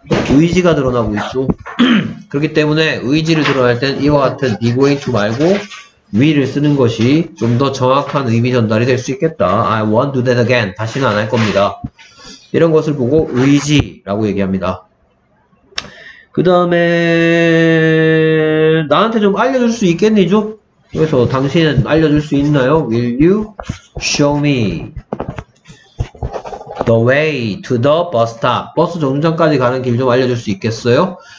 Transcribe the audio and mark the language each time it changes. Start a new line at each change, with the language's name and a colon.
Korean: 의지가 드러나고 있어. 그렇기 때문에 의지를 드러낼 때는 이와 같은 be going to 말고 will을 쓰는 것이 좀더 정확한 의미 전달이 될수 있겠다.
English: I won't do that again.
Korean: 다시는 안할 겁니다. 이런 것을 보고 의지라고 얘기합니다. 그 다음에 나한테 좀 알려줄 수 있겠니죠? 여기서 당신은 알려줄 수 있나요?
English: Will you show me the way to the bus stop?
Korean: 버스 정류장까지 가는 길좀 알려줄 수 있겠어요?